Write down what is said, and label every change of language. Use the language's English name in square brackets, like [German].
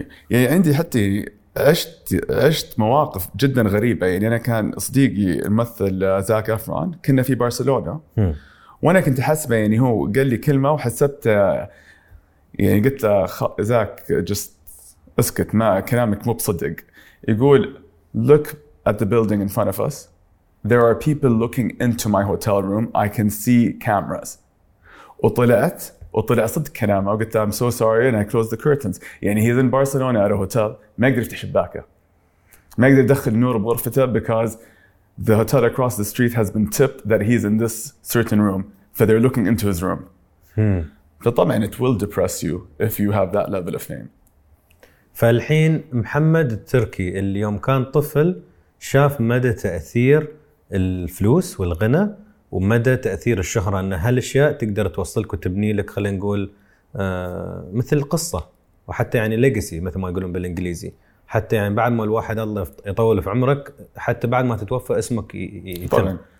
[Arabic] يعني عندي حتى عشت مواقف جدا غريبة. يعني أنا كان صديقي الممثل زاك أفران كنا في برشلونة, وأنا كنت حسبه يعني هو قال لي كلمة وحسبت يعني قلت له زاك just اسكت ما كلامك مو بصدق. [English] يقول look at the building in front of us, there are people looking into my hotel room, I can see cameras. [Arabic] وطلع صدق كلامه وقلت [English] I'm so sorry and I closed the curtains. يعني he's in Barcelona at a hotel [Arabic] ما قدر يفتح شباكه. ما يقدر يدخل نور بغرفته [English] because the hotel across the street has been tipped that he's in this certain room, so they're looking into his room. فطبعاً it will depress you if you have that level of fame. [Arabic] فالحين محمد التركي اليوم كان طفل شاف مدى تأثير الفلوس والغنى ومدى تأثير الشهرة أن هالأشياء تقدر توصلك وتبني لك خلينا نقول مثل قصة وحتى يعني legacy مثل ما يقولون بالإنجليزي حتى يعني بعد ما الواحد الله يطول في عمرك حتى بعد ما تتوفى اسمك يتم طبعاً.